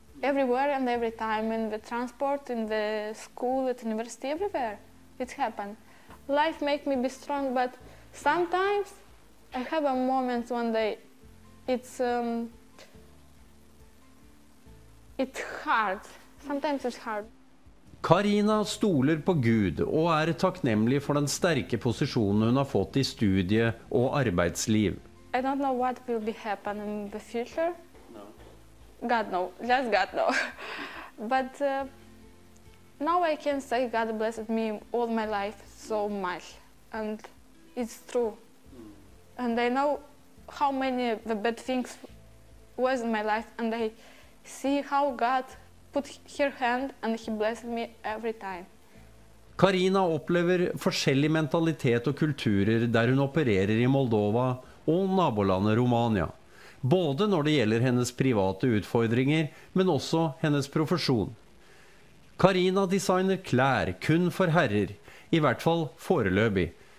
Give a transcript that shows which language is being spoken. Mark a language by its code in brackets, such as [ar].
[en] Everywhere and every time in the transport, in the school, at university, everywhere. It happens. Life make me be strong, but sometimes I have a moment one day it's hard. Sometimes it's hard. [no] Karina stoler på Gud og takknemlig for den sterke posisjonen hun har fått i studie og arbeidsliv. [en] I don't know what will be happen in the future. No. God no, just God no. But now I can say God blessed me all my life so much. And it's true. And I know how many the bad things was in my life and I see how God put her hand and he blessed me every time. [no] Karina opplever forskjellig mentalitet og kulturer der hun opererer i Moldova og nabolandet Romania. Både når det gjelder hennes private utfordringer, men også hennes profesjon. Karina designer klær kun for herrer, i hvert fall foreløpig.